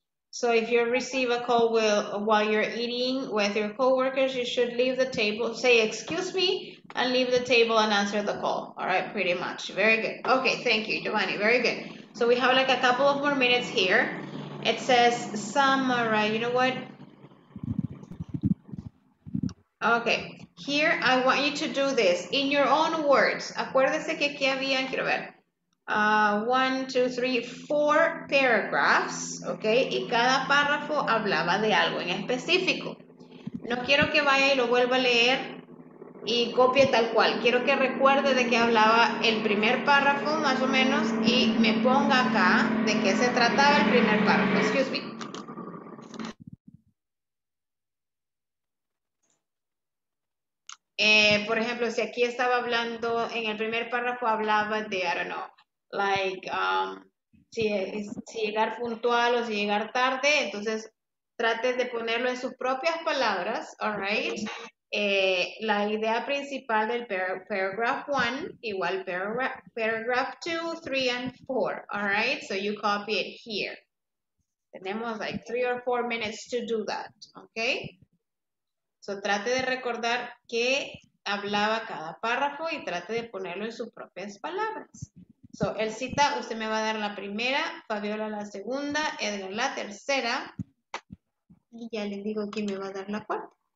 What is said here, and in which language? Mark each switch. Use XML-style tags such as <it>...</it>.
<en>So if you receive a call while you're eating with your coworkers, you should leave the table, say, excuse me, and leave the table and answer the call. All right, pretty much. Very good. Okay, thank you, Giovanni. Very good. So we have like a couple of more minutes here. It says summer, you know what? Okay, here I want you to do this in your own words.</en> <es>Acuérdese que aquí habían, quiero ver, 1, 2, 3, 4</es> <en>paragraphs, okay?</en> <es>Y cada párrafo hablaba de algo en específico. No quiero que vaya y lo vuelva a leer y copie tal cual. Quiero que recuerde de qué hablaba el primer párrafo, más o menos, y me ponga acá de qué se trataba el primer párrafo.</es> <en>Excuse me.</en> <es>Por ejemplo, si aquí estaba hablando, en el primer párrafo hablaba de,</es> <en>I don't know, like,</en> <es>si llegar puntual o si llegar tarde, entonces trate de ponerlo en sus propias palabras,</es> <en>all right?</en> <es>La idea principal del</es> <en>paragraph one,</en> <es>igual</es> <en>paragraph two, three, and four, all right? So you copy it here.</en> <es>Tenemos</es> <en>like 3 or 4 minutes to do that, okay? So</en> <es>trate de recordar qué hablaba cada párrafo y trate de ponerlo en sus propias palabras. So, Elcita, usted me va a dar la primera, Fabiola la segunda, Edgar la tercera, y ya le digo quién me va a dar la cuarta.</es>